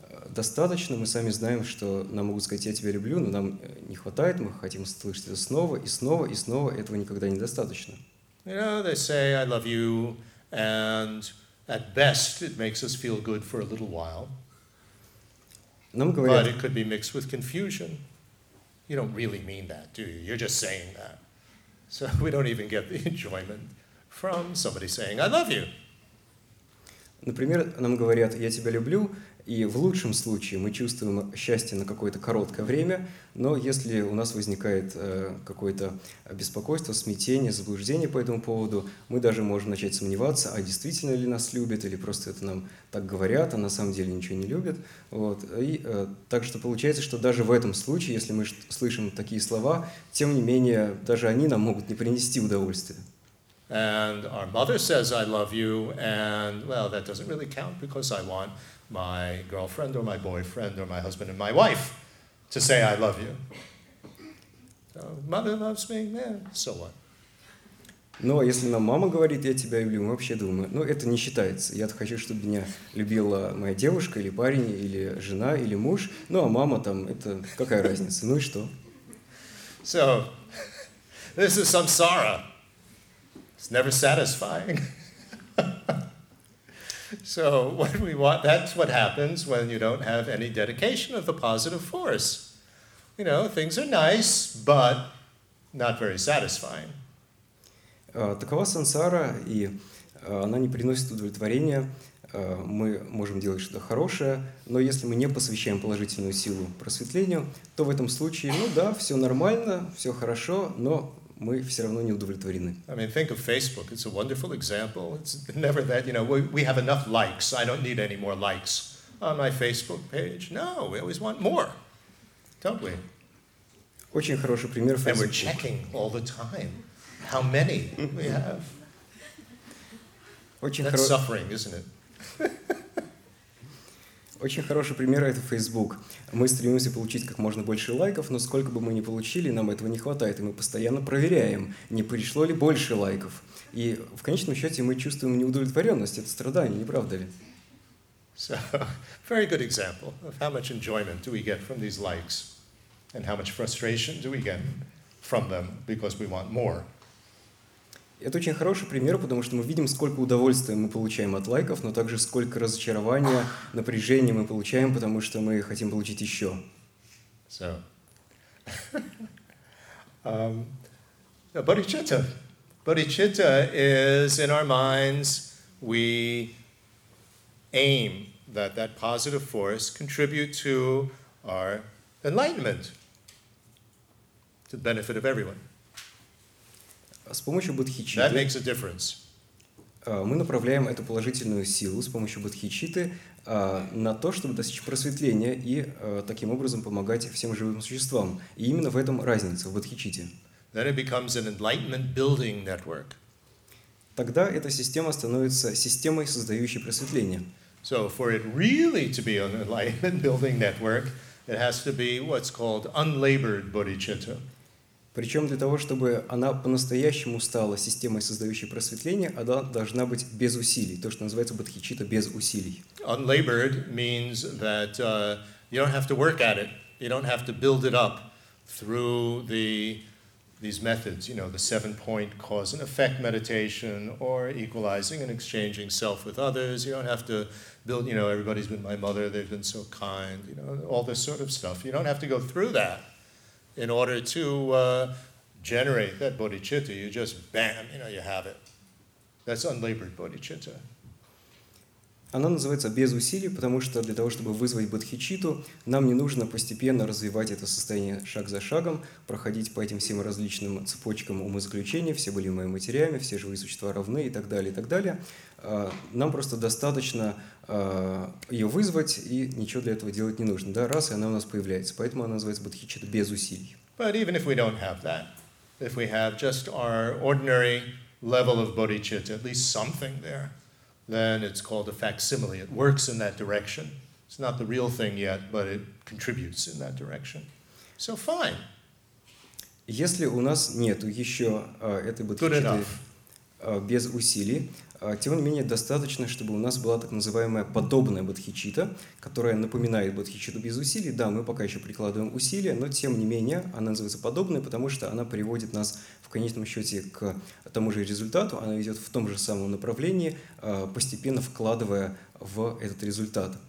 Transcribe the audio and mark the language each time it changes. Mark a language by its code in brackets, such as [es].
[ru] достаточно, мы сами знаем, что нам могут сказать «я тебя люблю», но нам не хватает, мы хотим слышать это снова и снова и снова, этого никогда недостаточно. [en] You know, they say «I love you», and at best, it makes us feel good for a little while. But it could be mixed with confusion. You don't really mean that, do you? You're just saying that. So we don't even get the enjoyment from somebody saying, I love you. [ru] Например, нам говорят, я тебя люблю, и в лучшем случае мы чувствуем счастье на какое-то короткое время, но если у нас возникает какое-то беспокойство, смятение, заблуждение по этому поводу, мы даже можем начать сомневаться, а действительно ли нас любят, или просто это нам так говорят, а на самом деле ничего не любят. Вот. И, так что получается, что даже в этом случае, если мы слышим такие слова, тем не менее, даже они нам могут не принести удовольствия. [en] And our mother says, I love you, and, well, that doesn't really count because I want my girlfriend or my boyfriend or my husband and my wife to say, I love you. So, mother loves me, so what? [ru] Но если нам мама говорит, я тебя люблю, мы вообще думаем, ну, это не считается. Я-то хочу, чтобы меня любила моя девушка или парень, или жена, или муж. Ну, а мама там, это какая разница? Ну и что? [en] So, this is samsara. It's never satisfying. So what we want, that's what happens when you don't have any dedication of the positive force. You know, things are nice, but not very satisfying. [ru] Такова сансара, и она не приносит удовлетворения. Мы можем делать что-то хорошее, но если мы не посвящаем положительную силу просветлению, то в этом случае, ну да, все нормально, все хорошо, но мы все равно не удовлетворены. [en] I mean, think of Facebook. It's a wonderful example. It's never that, you know, we have enough likes. I don't need any more likes. on my Facebook page. No, we always want more, don't we? [ru] Очень хороший пример Facebook. [en] And we're checking all the time how many we have. That's suffering, isn't it? [ru] Очень хороший пример – это Facebook. Мы стремимся получить как можно больше лайков, но сколько бы мы ни получили, нам этого не хватает, и мы постоянно проверяем, не пришло ли больше лайков. И в конечном счете мы чувствуем неудовлетворенность, это страдание, не правда ли? [en] So, very good example of how much enjoyment do we get from these likes and how much frustration do we get from them because we want more. [ru] Это очень хороший пример, потому что мы видим, сколько удовольствия мы получаем от лайков, но также сколько разочарования, напряжения мы получаем, потому что мы хотим получить еще. [en] So. Bodhicitta. Bodhicitta is in our minds, we aim that that positive force contribute to our enlightenment, to the benefit of everyone. [ru] С помощью бодхичитты [en] That makes a difference. [ru] Мы направляем эту положительную силу с помощью бодхичитты на то, чтобы достичь просветления и таким образом помогать всем живым существам. И именно в этом разница, в бодхичитте. [en] Then it becomes an enlightenment building network. [ru] Тогда эта система становится системой, создающей просветление. [en] So for it really to be an enlightenment building network, it has to be what's called unlabored bodhicitta. [ru] Причем для того, чтобы она по-настоящему стала системой, создающей просветление, она должна быть без усилий. То, что называется бодхичитта без усилий. [en] Unlabored means that you don't have to work at it. You don't have to build it up through these methods. You know, the seven-point cause and effect meditation or equalizing and exchanging self with others. You don't have to build, you know, everybody's been my mother, they've been so kind, you know, all this sort of stuff. You don't have to go through that. In order to generate that bodhicitta, you just bam, you know, you have it. That's unlabored bodhicitta. [ru] Она называется без усилий, потому что для того, чтобы вызвать бодхичитту, нам не нужно постепенно развивать это состояние шаг за шагом, проходить по этим всем различным цепочкам умозаключения, все были моими матерями, все живые существа равны и так далее, и так далее. Нам просто достаточно ее вызвать, и ничего для этого делать не нужно. Да, раз, и она у нас появляется. Поэтому она называется бодхичитта без усилий. [en] But even if we don't have that, if we have just our ordinary level of bodhicitta, at least something there, then it's called a facsimile. It works in that direction. It's not the real thing yet, but it contributes in that direction. So fine. [ru] Если у нас нет еще этой бодхичитты без усилий, тем не менее достаточно, чтобы у нас была так называемая подобная бодхичитта, которая напоминает бодхичитту без усилий. Да, мы пока еще прикладываем усилия, но тем не менее она называется подобной, потому что она приводит нас в конечном счете к тому же результату, она идет в том же самом направлении, постепенно вкладывая в этот результат.